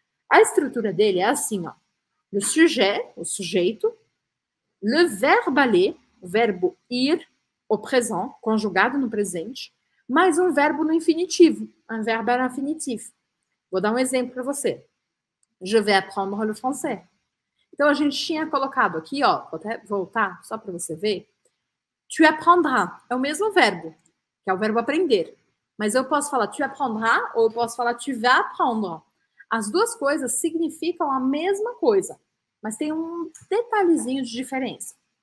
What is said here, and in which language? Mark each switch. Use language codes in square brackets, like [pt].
[pt] A estrutura dele é assim, ó. [fr] Le sujet, [pt] o sujeito. Le verbe aller, o verbo ir, [fr] au présent, [pt] conjugado no presente. Mais um verbo no infinitivo, [fr] un verbe à l'infinitif. [pt] Vou dar um exemplo para você. [fr] Je vais apprendre le français. [pt] Então a gente tinha colocado aqui, ó, vou até voltar só para você ver. [fr] Tu apprendras [pt] é o mesmo verbo, que é o verbo aprender. Mas eu posso falar [fr] tu apprendras [pt] ou eu posso falar [fr] tu vas apprendre. [pt] As duas coisas significam a mesma coisa, mas tem um detalhezinho de diferença.